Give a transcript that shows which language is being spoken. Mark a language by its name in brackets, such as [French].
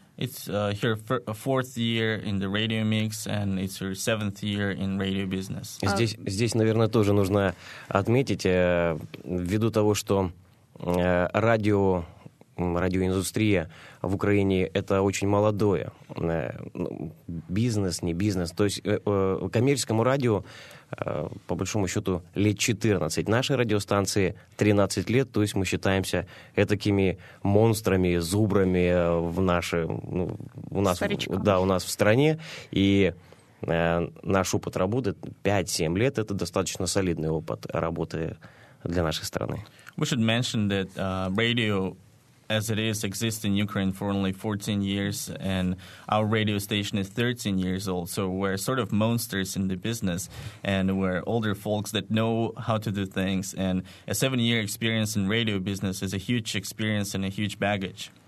[English] It's your fourth year in the Radio Mix, and it's your seventh year in radio business. [Russian] Здесь, наверное, тоже нужно отметить, ввиду того, что радиоиндустрия в Украине — это очень молодое. Бизнес, не бизнес. То есть коммерческому радио, по большому счету, лет 14. Нашей радиостанции 13 лет, то есть мы считаемся этакими монстрами, зубрами в нашей, ну, у нас, да, у нас в стране. И наш опыт работы 5-7 лет — это достаточно солидный опыт работы для нашей страны. [English] We should mention that radio, as it is, exists in Ukraine for only 14 years, and our radio station is 13 years old. So we're sort of monsters in the business, and we're older folks that know how to do things. And a 7-year experience in radio business is a huge experience and a huge baggage.